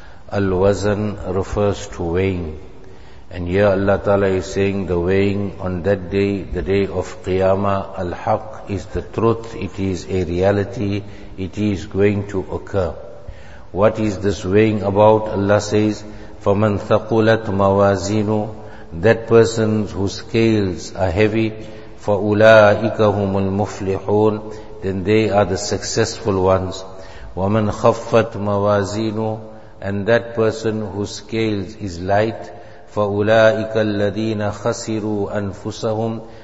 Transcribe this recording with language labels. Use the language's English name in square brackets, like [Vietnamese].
[English] Al-Wazn refers to weighing. And here Allah Ta'ala is saying the weighing on that day, the day of Qiyamah. Al-Haqq is the truth, it is a reality, it is going to occur. What is this weighing about? Allah says, [Arabic] فَمَنْ ثَقُلَتْ مَوَازِينُ. [English] That person whose scales are heavy, [Arabic] فَأُولَٰئِكَ هُمُ الْمُفْلِحُونَ. [English] Then they are the successful ones. [Arabic] وَمَنْ خَفَّتْ مَوَازِينُ. [English] And that person whose scales is light, [Arabic] فَأُولَٰئِكَ الَّذِينَ خَسِرُوا أَنفُسَهُمْ.